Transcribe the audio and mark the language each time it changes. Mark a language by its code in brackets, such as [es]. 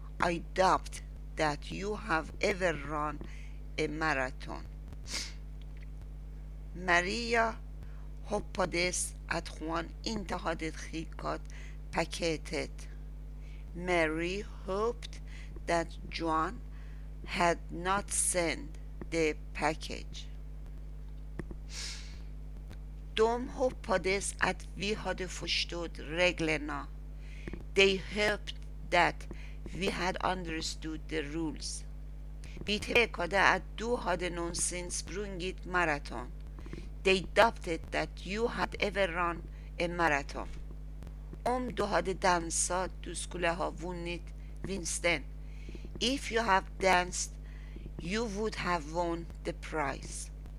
[en] I doubt that you have ever run a marathon. [sv] Maria hoppades att hon inte hade skickat paketet. [en] Mary hoped that John had not sent the package. [sv] Dom hoppades att vi hade förstått reglerna. [en] They hoped that we had understood the rules. [sv] Vi tvekade att du hade någonsin sprungit maraton. [en] They doubted that you had ever run a marathon. [sv] Om du hade dansat, du skulle ha vunnit vinsten. [en] If you have danced, you would have won the prize.